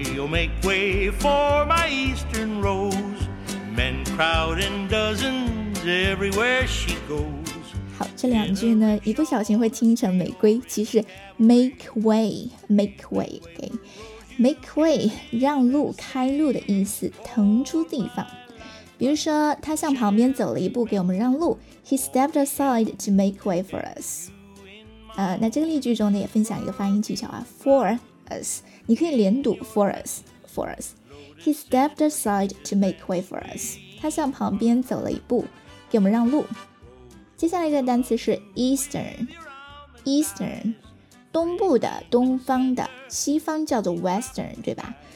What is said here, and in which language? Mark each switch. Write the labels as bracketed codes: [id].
[en] Make way for my eastern rose. Men crowd in dozens everywhere she goes. [zh] 好，这两句呢，一不小心会听成玫瑰，其实 [en] make way, make way, okay. Make way, [zh] 让路、开路的意思，腾出地方。比如说他向旁边走了一步给我们让路 [en] He stepped aside to make way for us。 [zh] 那这个例句中呢也分享一个发音技巧啊 [en] For us 你可以连读 For us For us He stepped aside to make way for us。 [zh] 他向旁边走了一步给我们让路。接下来这个单词是 Eastern Eastern 东部的东方的西方叫做 Western 对吧。